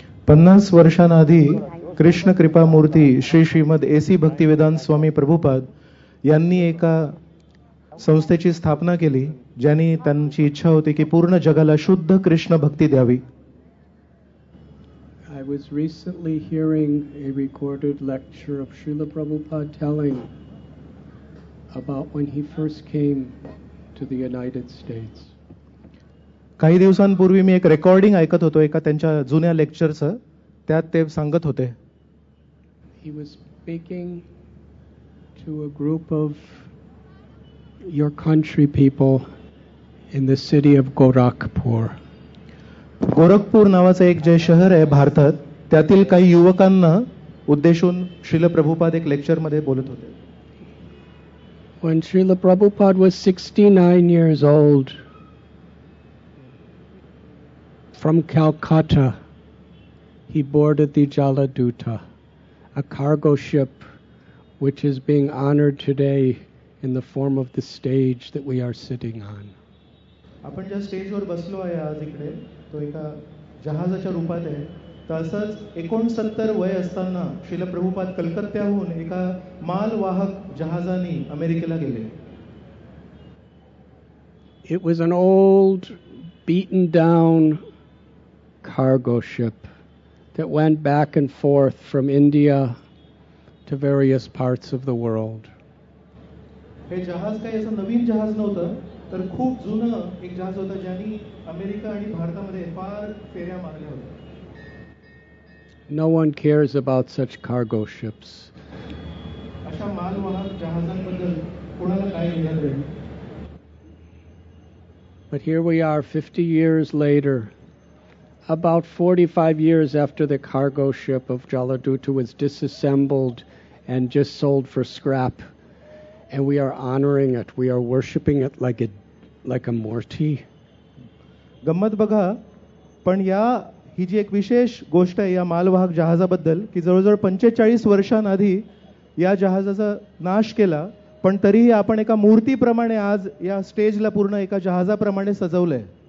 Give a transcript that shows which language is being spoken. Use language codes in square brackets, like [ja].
[mr] 50 वर्षांआधी कृष्ण कृपा मूर्ती श्री श्रीमद एसी भक्तिवेदांत स्वामी प्रभुपाद यांनी एका संस्थेची स्थापना केली ज्यांनी त्यांची इच्छा होती की पूर्ण जगाला शुद्ध कृष्ण भक्ती द्यावी. [en] I was recently hearing a recorded lecture of Srila Prabhupada telling about when he first came to the United States. [mr] काही दिवसांपूर्वी मी एक रेकॉर्डिंग ऐकत होतो एका त्यांच्या जुन्या लेक्चरचं. त्यात ते सांगत होते. [en] He was speaking to a group of your country people in the city of Gorakhpur. [mr] Gorakhpur नावाचं एक जे शहर आहे भारतात त्यातील काही युवकांना उद्देशून श्रील प्रभुपाद एक लेक्चर मध्ये बोलत होते. [en] When Srila Prabhupada was 69 years old from Calcutta he boarded the Jaladuta, a cargo ship which is being honored today in the form of the stage that we are sitting on. [mr] आपण ज्या स्टेजवर बसलो आहे आज इकडे तो एका जहाजाच्या रूपात आहे. तसंच 69 वय असताना श्रील प्रभुपाद कलकत्त्याहून एका मालवाहक जहाजाने अमेरिकेला गेले. [en] It was an old beaten down cargo ship that went back and forth from India to various parts of the world. [mr] हे जहाज काही असं नवीन जहाज नव्हतं तर खूप जुनं एक जहाज होतं ज्याने अमेरिका आणि भारतामध्ये फार फेऱ्या मारल्या होत्या. [en] No one cares about such cargo ships. [mr] अशा मालवाहक जहाजांबद्दल कोणाला काय घेणार आहे. [en] But here we are 50 years later, about 45 years after the cargo ship of Jaladuta was disassembled and just sold for scrap, and we are honoring it, we are worshiping it like a murti. [mr] गम्मत बघा पण या ही जी एक विशेष गोष्ट आहे या मालवाहक जहाजाबद्दल की जवळजवळ 45 वर्षांआधी या जहाजाचा नाश केला पण तरीही आपण एका मूर्तीप्रमाणे आज या स्टेजला पूर्ण एका जहाजाप्रमाणे सजवलंय.